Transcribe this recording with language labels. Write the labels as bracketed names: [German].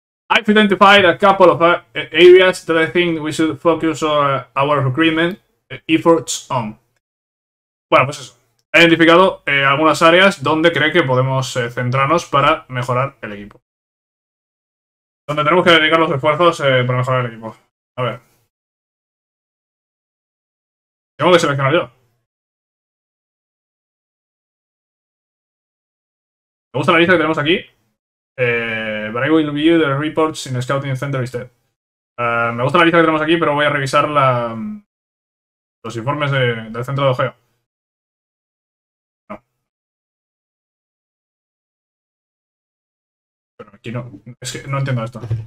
[English] I've identified a couple of areas that I think we should focus our recruitment efforts on. [Spanish] Bueno, pues eso. He identificado algunas áreas donde cree que podemos centrarnos para mejorar el equipo. Donde tenemos que dedicar los esfuerzos para mejorar el equipo. A ver. Tengo que seleccionar yo. Me gusta la lista que tenemos aquí. [English] But I will view the reports in the Scouting Center instead. [Spanish] Me gusta la lista que tenemos aquí, pero voy a revisar los informes del centro de Ogeo. No. Pero aquí no. Es que no entiendo esto.